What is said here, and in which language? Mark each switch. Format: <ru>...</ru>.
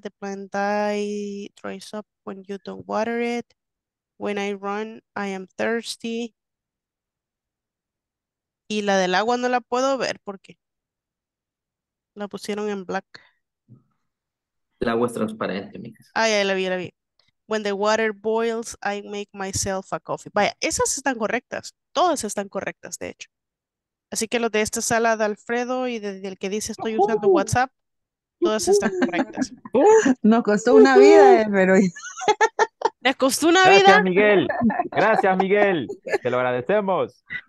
<en>The plant die dries up when you don't water it. When I run, I am thirsty.</en> <es>Y la del agua no la puedo ver porque la pusieron en black. El agua es transparente, amigas. Ay, ay, la vi, la vi.</es> <en>When the water boils, I make myself a coffee.</en> <es>Vaya, esas están correctas. Todas están correctas, de hecho. Así que los de esta sala de Alfredo y del que dice estoy usando WhatsApp, todas están correctas. Nos costó una vida, pero. ¿Les costó una Gracias, vida? Miguel. Gracias, Miguel. Te lo agradecemos.</es>